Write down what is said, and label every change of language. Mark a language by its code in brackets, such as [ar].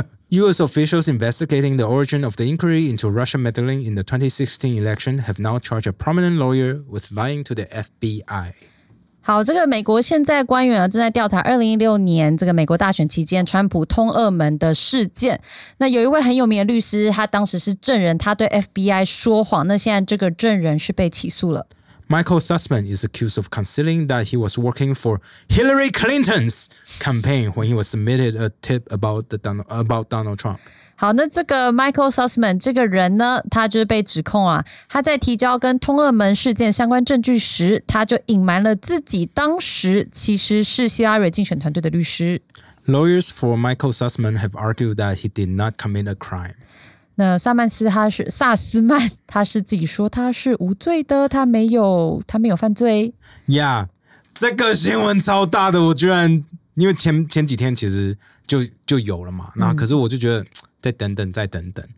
[en] US officials investigating the origin of the inquiry into Russian meddling in the 2016 election have now charged a prominent lawyer with lying to the FBI。 [zh] 好，这个美国现在官员正在调查2016年这个美国大选期间川普通俄门的事件。那有一位很有名的律师，他当时是证人，他对 FBI 说谎。那现在这个证人是被起诉了。 [en] Michael Sussman is accused of concealing that he was working for Hillary Clinton's campaign when he was submitted a tip about Donald Trump. [zh] 好，那这个 Michael Sussman 这个人呢，他就是被指控啊，他在提交跟通俄门事件相关证据时，他就隐瞒了自己当时其实是希拉蕊竞选团队的律师。 [en] Lawyers for Michael Sussman have argued that he did not commit a crime. [zh] 那萨斯曼他是自己说他是无罪的，他没有犯罪。 Yeah， 这个新闻超大的，我居然因为前几天其实就有了嘛，那可是我就觉得再等等再等等。